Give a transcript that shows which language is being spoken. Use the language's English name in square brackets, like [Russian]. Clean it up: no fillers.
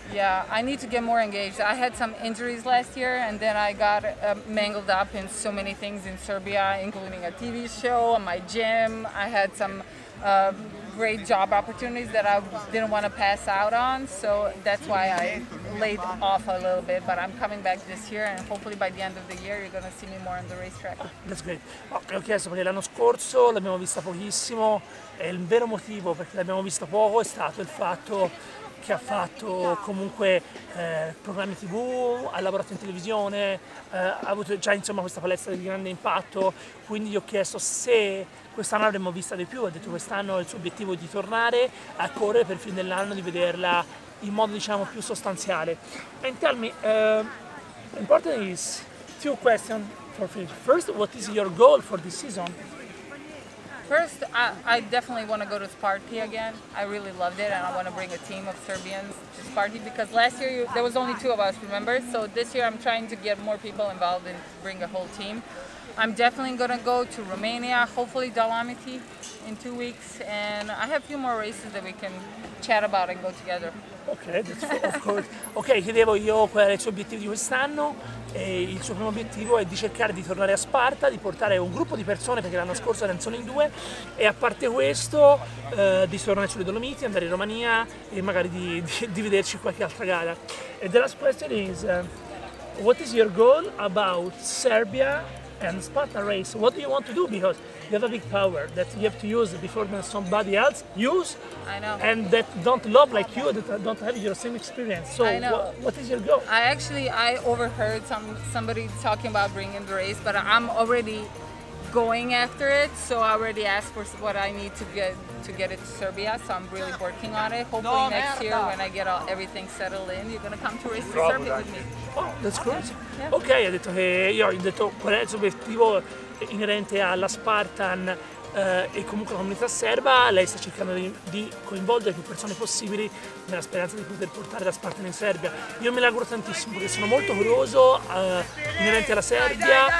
[English] Yeah, I need to get more engaged. I had some injuries last year, and then I got mangled up in so many things in Serbia, including a TV show, my gym. I had some great job opportunities that I didn't want to pass out on, so that's why I laid off a little bit, but I'm coming back this year and hopefully by the end of the year you're gonna see me more on the racetrack. That's great. [Italian] Okay, ho chiesto perché l'anno scorso l'abbiamo vista pochissimo e il vero motivo perché l'abbiamo vista poco è stato il fatto che ha fatto comunque programmi TV, ha lavorato in televisione, ha avuto già insomma questa palestra di grande impatto, quindi gli ho chiesto se quest'anno avremmo vista di più, ha detto quest'anno il suo obiettivo è di tornare a correre per fine dell'anno, di vederla in modo diciamo più sostanziale. [English] And tell me, important is two questions for Philip. First, what is your goal for this season? First, I definitely want to go to Sparty again. I really loved it and I want to bring a team of Serbians to Sparty because last year there was only two of us, remember? So this year I'm trying to get more people involved and bring a whole team. I'm definitely going to go to Romania, hopefully Dolomiti in 2 weeks, and I have a few more races that we can chat about and go together. Okay, that's cool. [Italian] Okay, chiedevo io qual è il suo obiettivo di quest'anno. E il suo primo obiettivo è di cercare di tornare a Sparta, di portare un gruppo di persone, perché l'anno scorso erano solo in due, e a parte questo di tornare sulle Dolomiti, andare in Romania e magari di vederci qualche altra gara. [English] And the last question is, what is your goal about Serbia and Sparta race? What do you want to do? Because you have a big power that you have to use before than somebody else use. I know. And that don't love like you, that don't have your same experience. So what is your goal? I overheard somebody talking about bringing the race, but I'm already going after it. So I already asked for what I need to get it to Serbia. So I'm really working on it. Hopefully next year when I get everything settled in, you're gonna come to race to Serbia with me. Oh, that's great. Okay. Yeah. [Italian] Okay, ha detto che io ho detto qual è il suo obiettivo inerente alla Spartan e comunque la comunità serba. Lei sta cercando di coinvolgere più persone possibili nella speranza di poter portare la Spartan in Serbia. Io mi auguro tantissimo perché sono molto curioso inerente alla Serbia.